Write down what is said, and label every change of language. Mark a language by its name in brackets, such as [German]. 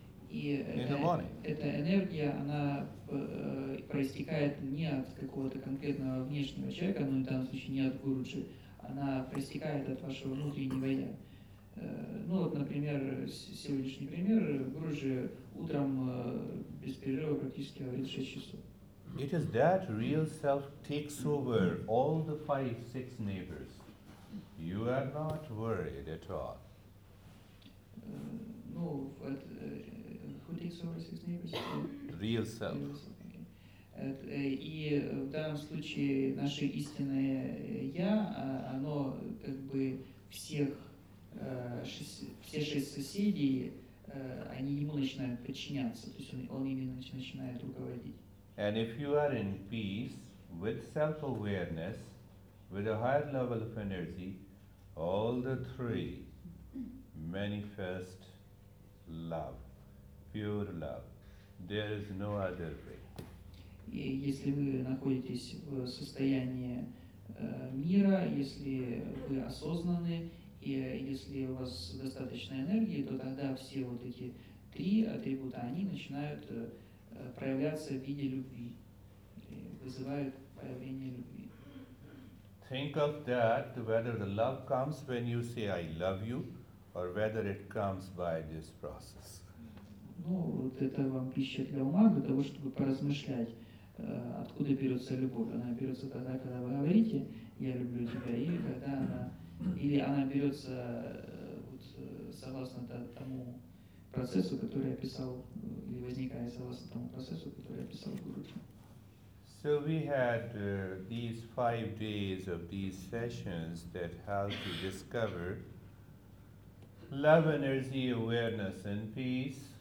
[Russian] Эта энергия, она проистекает не от какого-то конкретного внешнего человека, но в данном случае не от гуруджи, она проистекает от вашего внутреннего я. Ну вот, например, сегодняшний пример, гуруджи утром без перерыва практически говорит 6 часов. [English] It is that real self takes over all the 5-6 neighbors. You are not worried at all. Ну, вот, who takes over 6 neighbors? Real self. [Russian] И в данном случае наше истинное я, оно как бы все 6 соседей, они ему начинают подчиняться, то есть он ими начинает руководить. [English] And if you are in peace with self-awareness, with a higher level of energy, all the three manifest love, pure love. There is no other way. [Russian] И если вы находитесь в состоянии мира, если вы осознаны, и если у вас достаточно энергии, то тогда все вот эти три атрибута, они начинают проявляться в виде любви, вызывают появление любви. [English] Think of that, whether the love comes when you say I love you, or whether it comes by this process. [Russian] Ну, вот это вам пища для ума, для того, чтобы поразмышлять, откуда берется любовь. Она берется тогда, когда вы говорите, я люблю тебя, или когда она, или она берется вот согласно тому процессу, который я писал, или возникает согласно тому процессу, который я писал в Гуруджи. [English] So we had these 5 days of these sessions that help to discover love, energy, awareness, and peace.